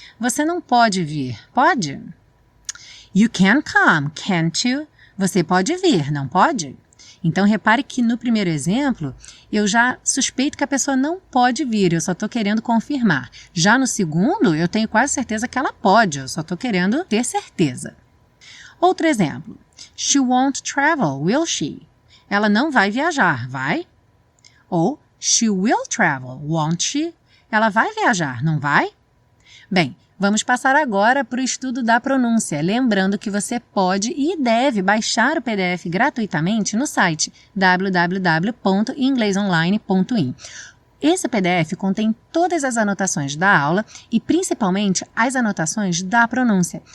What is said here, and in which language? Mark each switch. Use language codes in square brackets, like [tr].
[pt] Você não pode vir, pode? [en] You can come, can't you? [pt] Você pode vir, não pode? Então, repare que no primeiro exemplo, eu já suspeito que a pessoa não pode vir, eu só estou querendo confirmar. Já no segundo, eu tenho quase certeza que ela pode, eu só estou querendo ter certeza. Outro exemplo. [en] She won't travel, will she? [pt] Ela não vai viajar, vai? [en] Ou she will travel, won't she? [pt] Ela vai viajar, não vai? Bem, vamos passar agora para o estudo da pronúncia, lembrando que você pode e deve baixar o PDF gratuitamente no site www.inglesonline.in. Esse PDF contém todas as anotações da aula e, principalmente, as anotações da pronúncia.